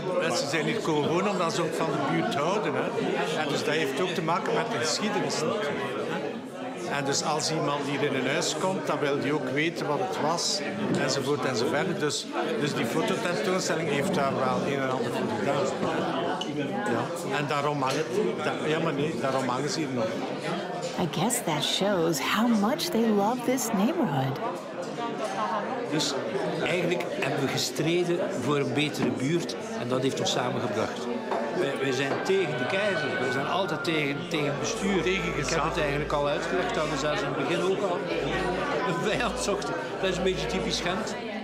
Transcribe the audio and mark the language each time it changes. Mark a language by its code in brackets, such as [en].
[nl] Mensen zijn hier komen wonen omdat ze ook van de buurt houden. Hè? En dus dat heeft ook te maken met de geschiedenis. En dus als iemand hier in een huis komt, dan wil die ook weten wat het was, enzovoort enzovoort. Dus die fototentoonstelling heeft daar wel een en ander voor gedaan. Ja. En daarom hangen daarom hangen ze hier nog. [en] I guess that shows how much they love this neighborhood. [nl] Dus eigenlijk hebben we gestreden voor een betere buurt en dat heeft ons samengebracht. Wij zijn tegen de keizer, wij zijn altijd tegen bestuur. Tegen gezag. Ik heb het eigenlijk al uitgelegd dat we zelfs in het begin ook al een vijand zochten. Dat is een beetje typisch Gent.